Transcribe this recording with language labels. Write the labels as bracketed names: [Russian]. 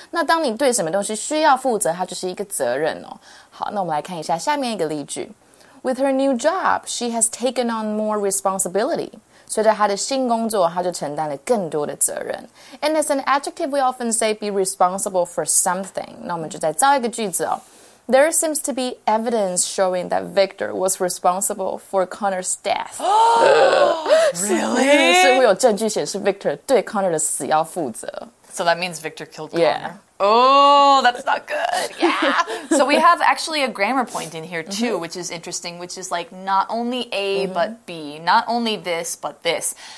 [Chinese] 那当你对什么东西需要负责，它就是一个责任哦。好，那我们来看一下下面一个例句。 [English] With her new job, she has taken on more responsibility. [Chinese] 随着她的新工作，她就承担了更多的责任。 [English] And as an adjective, we often say be responsible for something. [Chinese] 那我们就再造一个句子哦。 [English] There seems to be evidence showing that Victor was responsible for Connor's death. Really? [Chinese] 所以有证据显示 Victor 对 Connor 的死要负责。 [English] So that means Victor killed Connor. Oh, that's not good. Yeah. So we have actually a grammar point in here too, which is interesting, which is like not only A but B, not only this but this.